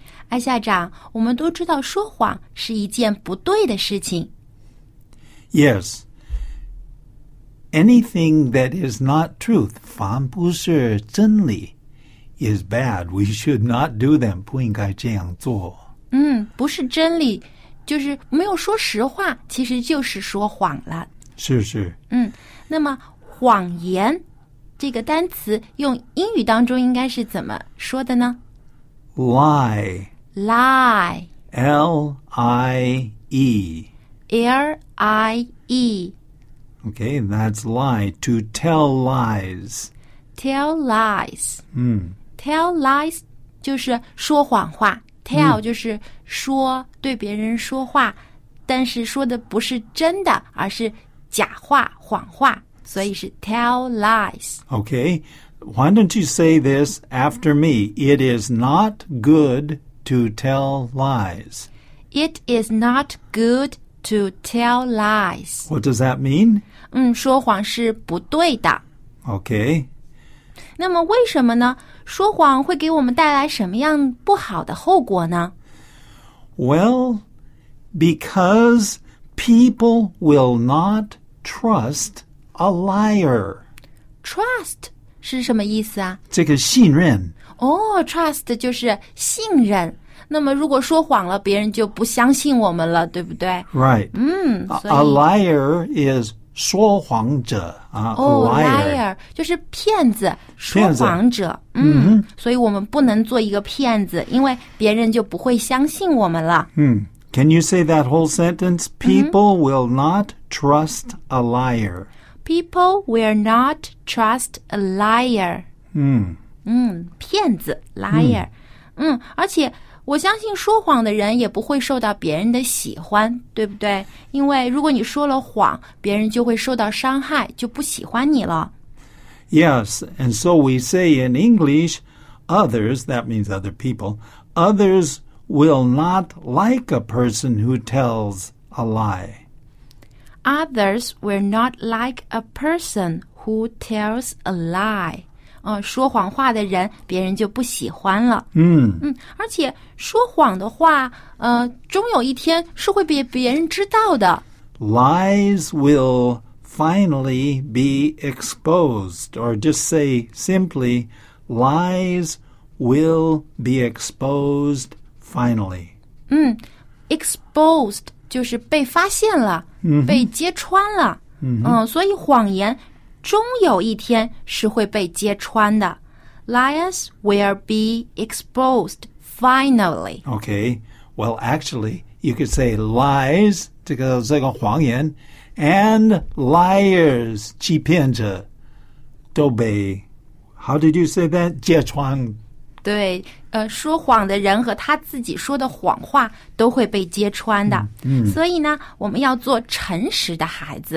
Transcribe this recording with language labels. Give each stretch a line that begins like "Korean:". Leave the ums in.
Chinese: 艾校、啊、长，我们都知道说谎是一件不对的事情。
English: Yes，anything that is not truth，n
Chinese: 不是真理，
English: is bad. We should not do them，
Chinese: 不应该这样做。嗯，不是真理，就是没有说实话，其实就是说谎了。是是。是嗯，那么谎言这个单词用英语当中应该是怎么说的呢
English: ？Why？ lie. L I E. L I E. Okay, that's lie. To tell lies. Tell lies. Mm. Tell, lies
Chinese: 就是说谎话.
English: tell, mm. tell lies 就是说谎话。
Chinese: Tell 就是说对别人说话，但是说的不是真的，而是假话、谎话，所以是 tell lies。
English: Okay, why don't you say this after me? It is not good to tell lies. It is not good to tell lies. What does that mean?
Chinese: 嗯,说谎是不对的。
English: Okay.
Chinese: 那么为什么呢? 说谎会给我们带来什么样不好的后果呢?
English: Well, because people will not trust a liar.
Chinese: Trust 是什么意思啊？这个信任，嗯，哦，trust 就是信任。那么如果说谎了，别人就不相信我们了，对不对？
English: Right.
Chinese: 嗯，所 A
English: liar is
Chinese: 说谎者啊。
English: 哦，liar
Chinese: 就是骗子，说谎者。嗯，所以我们不能做一个骗子，因为别人就不会相信我们了。
English: 嗯，Can you say that whole sentence? People will not trust a liar. People will not trust a liar. 嗯。
Chinese: 嗯，骗子 um, liar，嗯,嗯，而且我相信说谎的人也不会受到别人的喜欢，对不对？因为如果你说了谎，别人就会受到伤害，就不喜欢你了。
English: Yes, hmm. um, and so we say in English, others, that means other people, others will not like a person who tells a lie. Others will not like a person who tells a lie.
Chinese: 呃，说谎话的人，别人就不喜欢了。嗯嗯，而且说谎的话，呃，终有一天是会被别人知道的。
English: Lies will finally be exposed, or just say simply, lies will be exposed finally.
Chinese: 嗯，exposed 就是被发现了，被揭穿了。嗯，所以谎言。终有一天是会被揭穿的。
English: Lions will be exposed finally. Okay. Well, actually, you could say lies
Chinese: 这个这个谎言，
English: and like liars
Chinese: 欺骗者都被。
English: How did you say that?
Chinese: 揭穿。对，呃，说谎的人和他自己说的谎话都会被揭穿的。嗯。嗯所以呢，我们要做诚实的孩子。